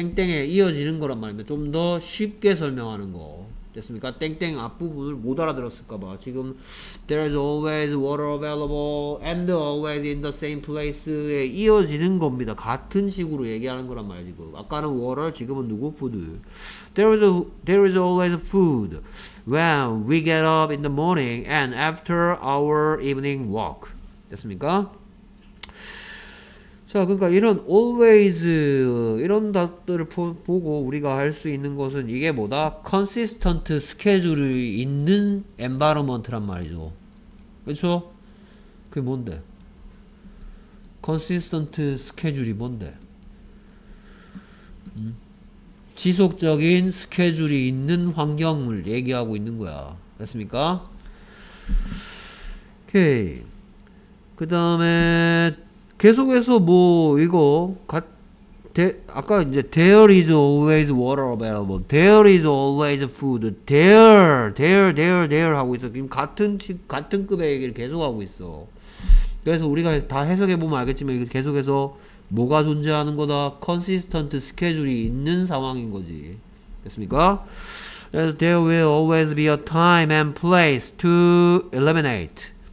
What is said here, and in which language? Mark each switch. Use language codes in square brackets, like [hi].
[ko] 땡땡에 이어지는 거란 말입니다. 좀 더 쉽게 설명하는 거 됐습니까? 땡땡 앞부분을 못 알아들었을까봐 지금 [en] there is always water available and always in the same place [ko] 에 이어지는 겁니다. 같은 식으로 얘기하는 거란 말이에요. 지금 아까는 water 지금은 누구? food. [en] There is always food when we get up in the morning and after our evening walk. [ko] 됐습니까? 자 그러니까 이런 always 이런 것들을 보고 우리가 할 수 있는 것은 이게 뭐다? consistent 스케줄이 있는 environment란 말이죠. 그쵸? 그게 뭔데? consistent 스케줄이 뭔데? 지속적인 스케줄이 있는 환경을 얘기하고 있는 거야. 됐습니까? 오케이. 그 다음에 계속해서 뭐 이거 아까 이제 [en] there is always water available, there is always food, there [ko] 하고 있어. 지금 같은 급의 얘기를 계속하고 있어. 그래서 우리가 다 해석해 보면 알겠지만 이거 계속해서 뭐가 존재하는 거다? 컨시스턴트 스케줄이 있는 상황인 거지. 됐습니까? [en] There will always be a time and place to eliminate.